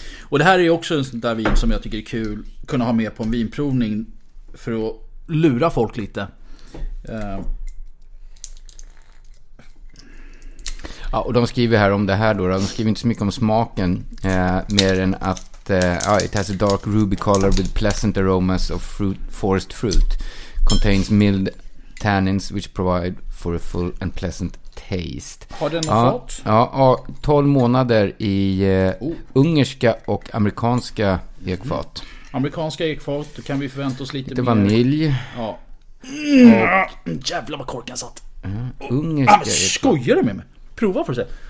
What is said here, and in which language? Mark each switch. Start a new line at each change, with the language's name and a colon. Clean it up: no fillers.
Swedish: Och det här är ju också en sån där vin som jag tycker är kul att kunna ha med på en vinprovning för att lura folk lite. Ja, och de skriver här om det här då. De skriver inte så mycket om smaken, mer än att
English: it has a dark ruby color with pleasant aromas of fruit, forest fruit. Contains mild tannins which provide for a full and pleasant taste.
Swedish: Har den fått? Ja, 12 månader i ungerska och amerikanska ekfat. Amerikanska ekfat, då kan vi förvänta oss lite mer. Vanilj. Ja. Jävlar vad korken satt. Ungerska ekfat. Skojar du med mig? Prova för att se.